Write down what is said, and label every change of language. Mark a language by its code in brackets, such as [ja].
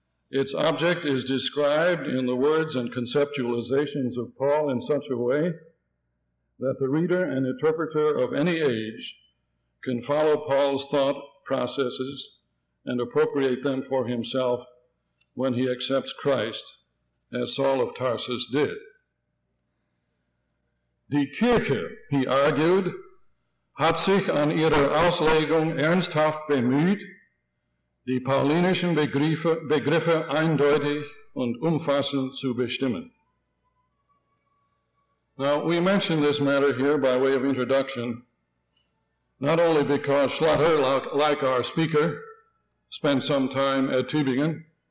[en] Its object is described in the words and conceptualizations of Paul in such a way that the reader and interpreter of any age can follow Paul's thought processes and appropriate them for himself when he accepts Christ, as Saul of Tarsus did. [de] Die Kirche, [en] he argued, [de] hat sich an ihrer Auslegung ernsthaft bemüht, die paulinischen Begriffe eindeutig und umfassend zu bestimmen. [en] Now, we mention this matter here by way of introduction, not only because Schlatter, like our speaker, spent some time at Tübingen,